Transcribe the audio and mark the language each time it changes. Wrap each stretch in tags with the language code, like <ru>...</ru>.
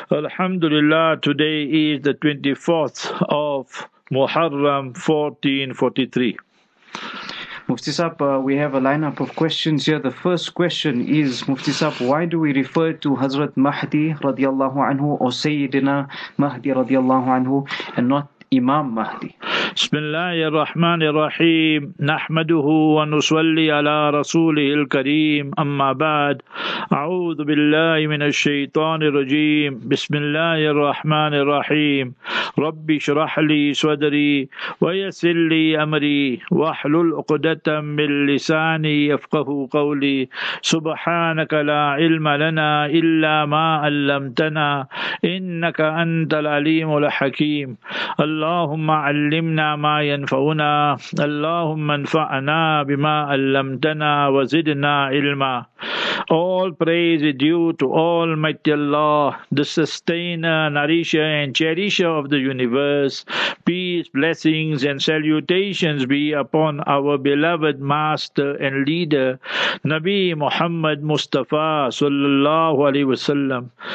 <en>Alhamdulillah, today is the 24th of Muharram 1443. Mufti Saab, we have a lineup of questions here. The first question is, Mufti Saab, why do we refer to Hazrat Mahdi radiallahu anhu or Sayyidina Mahdi radiallahu anhu and not Imam Mahdi?</en> <ar>بسم الله الرحمن الرحيم نحمده ونصلي على رسوله الكريم أما بعد أعوذ بالله من الشيطان الرجيم بسم الله الرحمن الرحيم ربي اشرح لي صدري ويسر لي أمري واحلل عقدة من لساني يفقهوا قولي سبحانك لا علم لنا إلا ما علمتنا إنك أنت العليم الحكيم اللهم علمنا ما ينفعنا اللهم انفعنا بما علمتنا وزدنا علما.</ar> <en>All praise is due to Almighty Allah, the sustainer, nourisher and cherisher of the universe. Peace, blessings and salutations be upon our beloved master and leader, Nabi Muhammad Mustafa sallallahu alaihi wasallam.</en>